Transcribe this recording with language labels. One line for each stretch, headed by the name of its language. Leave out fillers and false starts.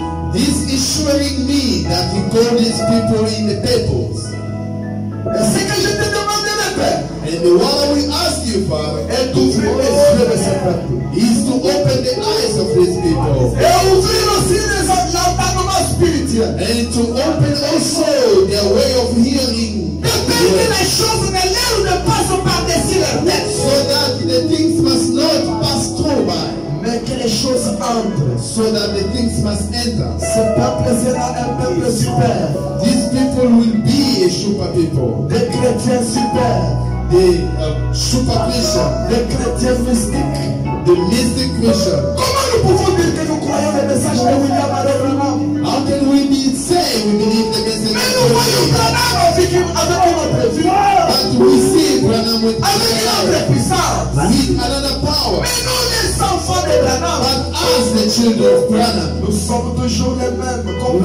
English: This is showing me that you call these people in the temples.
French: Et ce que je te demande, mon père.
English: And what we ask you, Father,
French: est d'ouvrir les yeux de ce peuple.
English: Is to open the eyes of these people.
French: Et ouvrir aussi les yeux de l'entendement spirituel.
English: And to open also their way of hearing. So that the things must not pass through by.
French: Mais que les choses entrent.
English: So that the things must enter.
French: Ce peuple sera un peuple super.
English: These people will be a super people.
French: Des chrétiens super.
English: Des super Christians.
French: Des chrétiens mystiques.
English: The mystic Christians.
French: Comment nous pouvons dire que nous croyons le message de William Aréglement?
English: How can we be say we believe the message?
French: Mais nous voyons Branham avec notre vie.
English: But we see Branham with
French: avec notre puissance.
English: With another power.
French: Mais nous les enfants de Branham.
English: But as the children of Branham.
French: Nous sommes toujours les mêmes. Comme